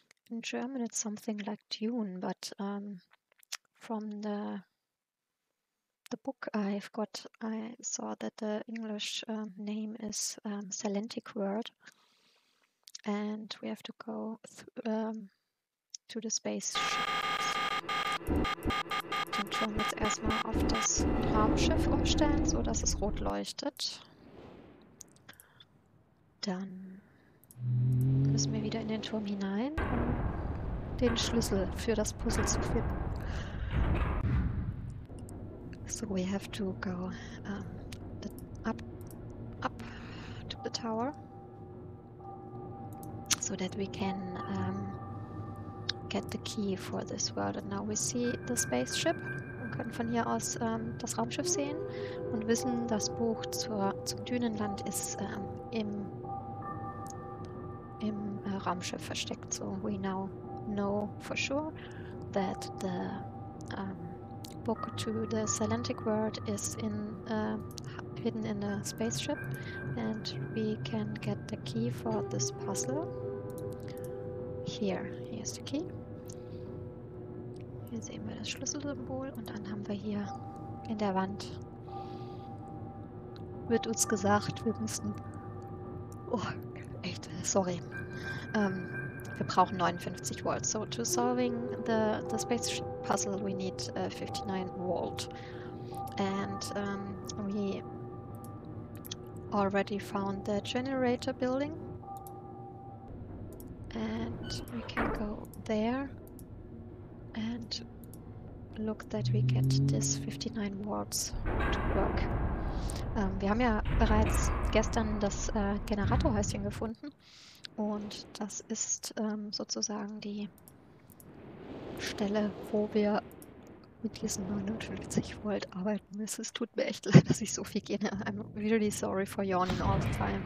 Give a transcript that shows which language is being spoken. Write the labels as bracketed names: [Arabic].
[English] In German it's something like Dune, but from the book I've got, I saw that the English name is Salentic word. And we have to go to the spaceship. [German] Den Turm jetzt erstmal auf das Raumschiff umstellen, so dass es rot leuchtet. Dann müssen wir wieder in den Turm hinein, um den Schlüssel für das Puzzle zu finden. [English] So, we have to go up to the tower. so that we can get the key for this world. And now we see the spaceship. [German] Wir können von hier aus das Raumschiff sehen und wissen, das Buch zum Dünenland ist im Raumschiff versteckt. [English] So we now know for sure that the book to the Salentic world is in hidden in a spaceship, and we can get the key for this puzzle. Here's the key. [German] Hier sehen wir das Schlüsselsymbol, und dann haben wir hier in der Wand wird uns gesagt, wir müssen. Oh, echt, sorry. Wir brauchen 59 Volt. [English] So, to solving the spaceship puzzle, we need 59 Volt. And we already found the generator building. And we can go there and look that we get this 59 Volts to work. [German] Wir haben ja bereits gestern das Generatorhäuschen gefunden. Und das ist sozusagen die Stelle, wo wir mit diesen 59 Volt arbeiten müssen. Es tut mir echt leid, dass ich so viel gehe. [English] I'm really sorry for yawning all the time.